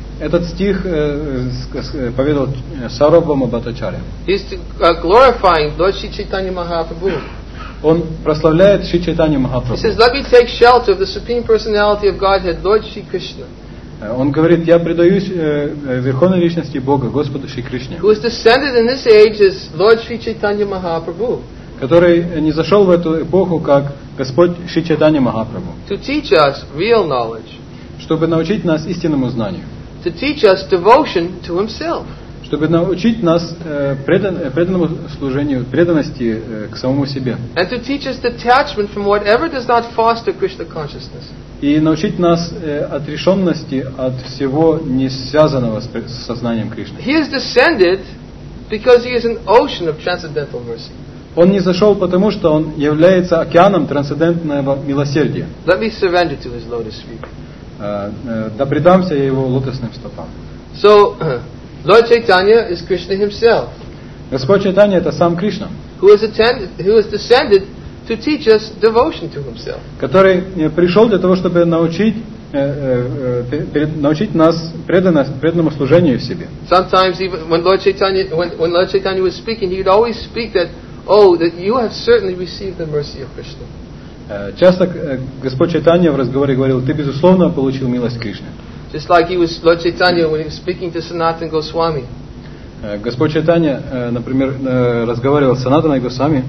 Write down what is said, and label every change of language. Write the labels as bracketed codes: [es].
[ru] Этот стих поведал Сарвабхаума Бхаттачарья. [en] He's glorifying Lord Shri Chaitanya Mahaprabhu. [ru] Он прославляет Шри Чайтанья Махапрабху. [en] He says, let me take shelter of the Supreme Personality of Godhead, Lord Shri Krishna. [ru] Он говорит: я предаюсь Верховной Личности Бога, Господу Шри Кришне, [en] who has descended in this age as Lord Shri Chaitanya Mahaprabhu, [ru] который не зашел в эту эпоху как Господь Шри Чайтанья Махапрабху, [en] to teach us real knowledge, [ru] чтобы научить нас истинному знанию, [en] to teach us devotion to himself, [ru] чтобы научить нас преданному служению, преданности к самому себе, [en] and to teach us detachment from whatever does not foster Krishna consciousness. [ru] И научить нас отрешенности от всего не связанного с сознанием Кришны. [en] He has descended because he is an ocean of transcendental mercy. [ru] Он не зашел, потому что он является океаном трансцендентного милосердия. [en] Let me surrender to his lotus feet. [ru] Да предамся я его лотосным стопам. [en] So, Lord Chaitanya is Krishna himself. [ru] Господь Чайтанья — это сам Кришна. [en] Who has descended to teach us devotion to himself. [ru] Который пришел для того, чтобы научить нас преданному служению в себе. [en] Sometimes even when Lord Chaitanya was speaking, he would always speak that, oh, that you have certainly received the mercy of Krishna. [ru] Часто Господь Чайтанья в разговоре говорил: ты безусловно получил милость Кришны. [en] Just like he was Lord Chaitanya when he was speaking to Sanatana Goswami. [ru] Господь Чайтанья, например, разговаривал с Санатаной Госвами.